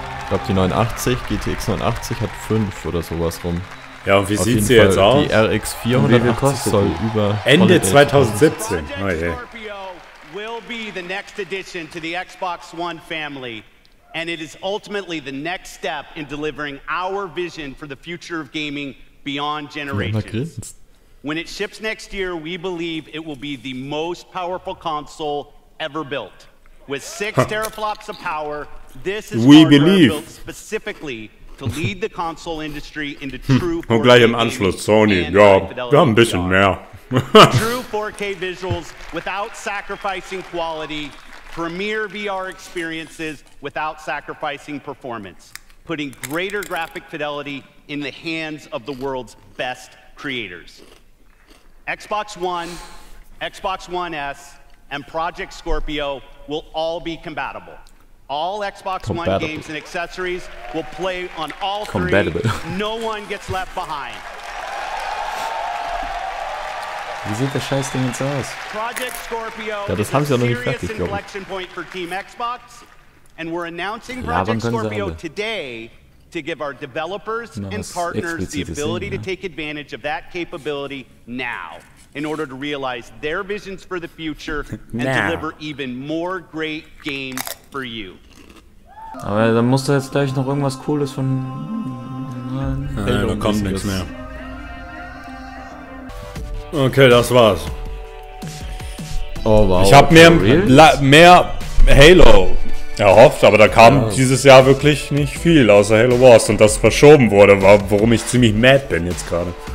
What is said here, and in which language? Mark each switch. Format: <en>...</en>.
<de>Ich glaube, die 89, GTX 89 hat 5 oder sowas rum. Ja, und wie sieht sie jetzt aus? Die RX 480 soll über Ende 2017.</de> <en>Oh, yeah. Scorpio will be the next addition to the Xbox One family. And it is ultimately the next step in delivering our vision for the future of gaming beyond generations. When it ships next year, we believe it will be the most powerful console ever built. With 6 teraflops of power, this is hardware built specifically to lead the console industry into true</en> <de>4K. Und gleich im Anschluss Sony, ja, wir haben ein bisschen mehr.</de> <en>True 4K visuals without sacrificing quality. Premier VR experiences without sacrificing performance. Putting greater graphic fidelity in the hands of the world's best creators. Xbox One, Xbox One S, and Project Scorpio will all be compatible. All Xbox One games and accessories will play on all three. No one gets left behind.</en> <de>Wie sieht der Scheißding jetzt aus?</de> <en>Project Scorpio,</en> <de>ja, das haben sie ja noch nicht fertig,</de> <en>inflection point for Team Xbox, and we're announcing Project Scorpio today to give our developers and partners the ability to take advantage of that capability now in order to realize their visions for the future and deliver even more great games for you.</en> <de>Aber dann muss da jetzt gleich noch irgendwas Cooles von... Nein, da kommt nichts mehr. Okay, das war's. Oh wow. Ich hab mehr Halo erhofft, aber da kam dieses Jahr wirklich nicht viel, außer Halo Wars, und das verschoben wurde, war, worum ich ziemlich mad bin jetzt gerade.</de>